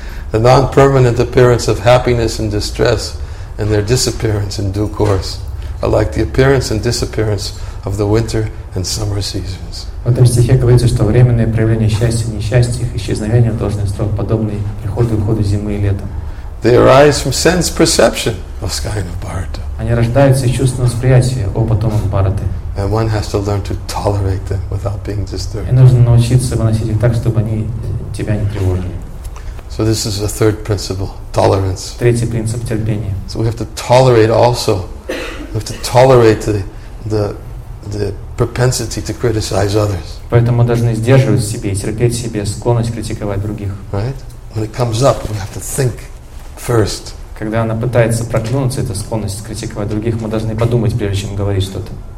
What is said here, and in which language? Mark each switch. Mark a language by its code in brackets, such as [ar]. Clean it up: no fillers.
[en] The non-permanent appearance of happiness and distress and their disappearance in due course are like the appearance and disappearance of the winter and summer seasons. [ru] В этом стихе говорится, что временные проявления счастья и несчастья, их исчезновение должны строго подобны приходу и уходу зимы и лета. [en] They arise from sense perception of sky and of Bharata. [ru] Они рождаются из чувственного восприятия, о потомок Бхараты. [en] And one has to learn to tolerate them without being disturbed. [ru] И нужно научиться выносить их так, чтобы они тебя не тревожили. [en] So this is the third principle, tolerance. [ru] Третий принцип терпения. [en] So we have to tolerate also. We have to tolerate the propensity to criticize others. [ru] Поэтому должны сдерживать в себе и терпеть в себе склонность критиковать других. [en] Right? When it comes up, we have to think first. [ru] Когда она пытается проклюнуться, эта склонность критиковать других, мы должны подумать, прежде чем говорить что-то.